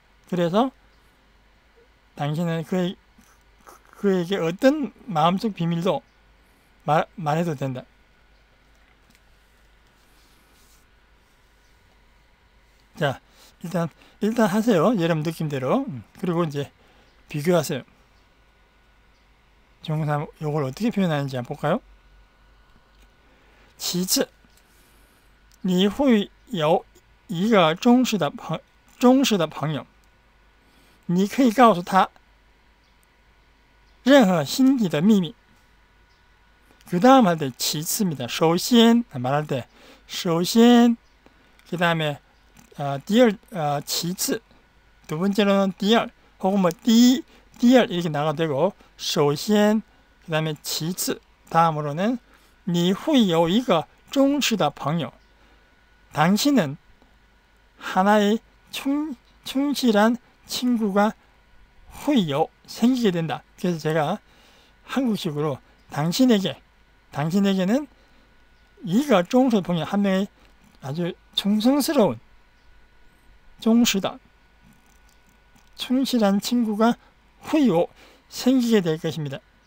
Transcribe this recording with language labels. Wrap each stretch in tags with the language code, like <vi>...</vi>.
<ko>그래서 당신은 그에게 어떤 마음속 비밀도 말해도 된다。 자, 일단 하세요。 여러분 느낌대로。 그리고 이제 비교하세요。 정상 이걸 어떻게 표현하는지 한번 볼까요？</ko> <zh>其次，你会有一个忠实的朋友，你可以告诉他任何心底的秘密。</zh> <ko>그다음할때其次입니다。首先말할때首先，그다음에第二其次，두번째로는第二，혹은뭐第二이렇게나가도되고，首先，그다음에其次，다음으로는</ko> <zh>你会有一个忠实的朋友，</zh> <ko>당신은하나의충실한 친구가 후이요 생기게 된다。 그래서 제가 한국식으로 당신에게는 이가</ko> <zh>忠实的 朋友，</zh> <ko>한 명의 아주 충성스러운 충실한 친구가 후이요 생기게 될 것입니다。</ko>